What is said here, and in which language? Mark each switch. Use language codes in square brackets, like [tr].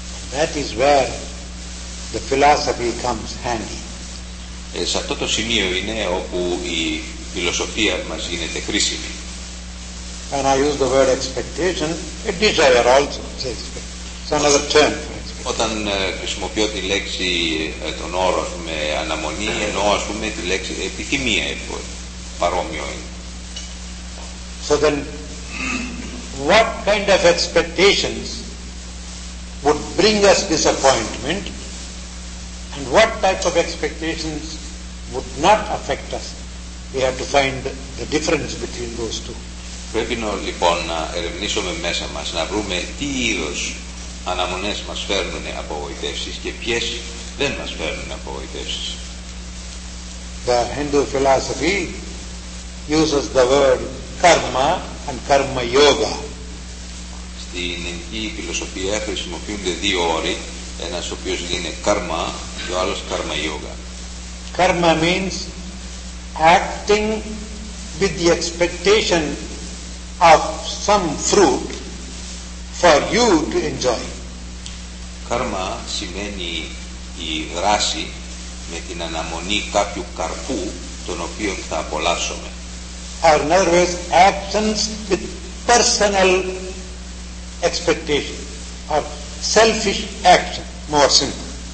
[en] That is where the philosophy comes handy. [el] Σε αυτό το σημείο είναι όπου η φιλοσοφία μας γίνεται χρήσιμη. [en] And I use the word expectation, a desire also. It's another term for expectation. [el] Όταν χρησιμοποιώ τη λέξη, τον όρο, ας πούμε, αναμονή, εννοώ, ας πούμε, τη λέξη επιθυμία, παρόμοιο είναι. [en] So then, what kind of expectations would bring us disappointment, and what type of expectations would not affect us? We have to find the difference between those two. [el] Πρέπει λοιπόν να ερευνήσουμε μέσα μας, να βρούμε τι είδος αναμονές μας φέρνουν απογοητεύσεις και ποιες δεν μας φέρνουν απογοητεύσεις. [en] The Hindu philosophy uses the word karma and karma yoga. [el] Στην Ινδική φιλοσοφία χρησιμοποιούνται δύο όροι, ένας ο οποίος είναι karma και ο άλλος karma yoga. [en] Karma means acting with the expectation of some fruit for you to enjoy. [el] Karma σημαίνει η δράση με την αναμονή κάποιου καρπού τον οποίο θα απολαύσουμε. [en] or in other words, actions with personal expectation, or selfish action, more simple.